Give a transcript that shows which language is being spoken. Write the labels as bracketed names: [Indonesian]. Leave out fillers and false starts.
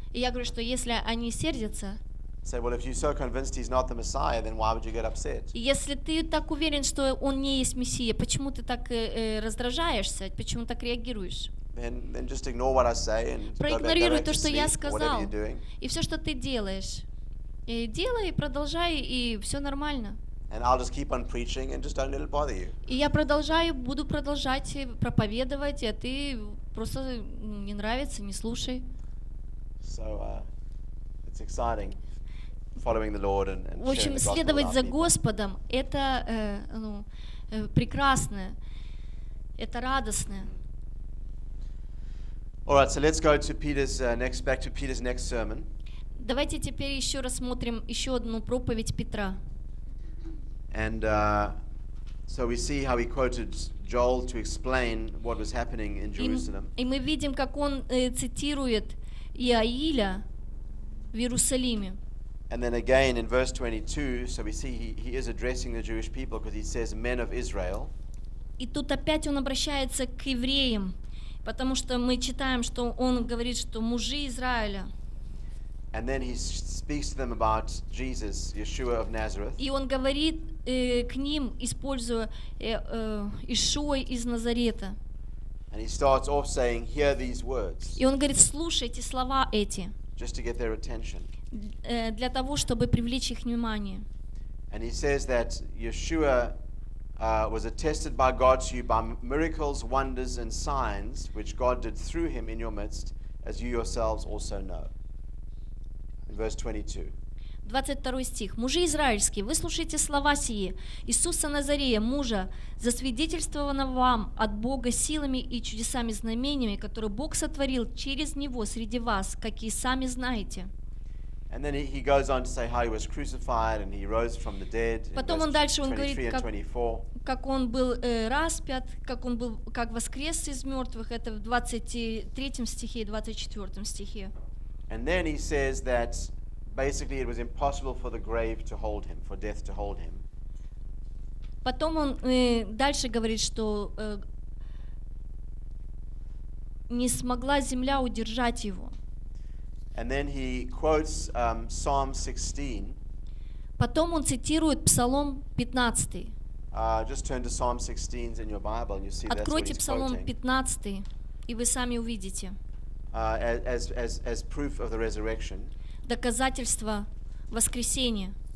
[Russian] и я говорю, что если они сердятся, [English] say, well, if you're so convinced he's not the Messiah, then why would you get upset? [Russian] Если ты так уверен, что он не есть Мессия, почему ты так раздражаешься, почему так реагируешь? [English] Then just ignore what I say and [Russian] проигнорируй то, что я сказал, [English] whatever you're doing. [Russian] И все, что ты делаешь, делай, продолжай, и все нормально. [English] And I'll just keep on preaching and just don't let it bother you. [Russian] И я продолжаю, буду продолжать проповедовать, а ты просто не нравится, не слушай. [English] So it's exciting following the Lord and sharing the gospel. [Russian] В общем, следовать за Господом — это прекрасно, это радостно. [English] All right, so let's go to Peter's next sermon. [Russian] Давайте теперь еще рассмотрим еще одну проповедь Петра. [English] And so we see how he quoted Joel to explain what was happening in Jerusalem. [Russian] И мы видим, как он цитирует Иаиля в Иерусалиме. [English] And then again in verse 22, so we see he is addressing the Jewish people because he says, "Men of Israel." [Russian] И тут опять он обращается к евреям, потому что мы читаем, что он говорит, что мужи Израиля. [English] And then he speaks to them about Jesus, Yeshua of Nazareth. [Russian] И он говорит к ним, используя Ишуа из Назарета. [English] And he starts off saying, "Hear these words." [Russian] И он говорит, слушайте слова эти. [English] Just to get their attention. [Russian] Для того, чтобы привлечь их внимание. [English] And he says that Yeshua was attested by God to you by miracles, wonders, and signs, which God did through him in your midst, as you yourselves also know. Verse [Russian] 22 стих. Мужи израильские, выслушайте слова сии Иисуса Назарея, мужа, засвидетельствованного вам от Бога силами и чудесами, знамениями, которые Бог сотворил через него среди вас, как и сами знаете. [English] And then he goes on to say how he was crucified and he rose from the dead. [Russian] Потом он дальше он говорит, как он был распят, как он был, как воскрес из мертвых. Это в 23 стихе и 24 стихе. [English] And then he says that basically it was impossible for the grave to hold him, for death to hold him. [Russian] Потом он дальше говорит, что не смогла земля удержать его. [English] And then he quotes Psalm 16. [Russian] Потом он цитирует Псалом 15. [English] Just turn to Psalm 16 in your Bible and you see that's what he's quoting. [Russian] Откройте Псалом 15, и вы сами увидите. [English] As proof of the resurrection. [Russian] Доказательство воскресения.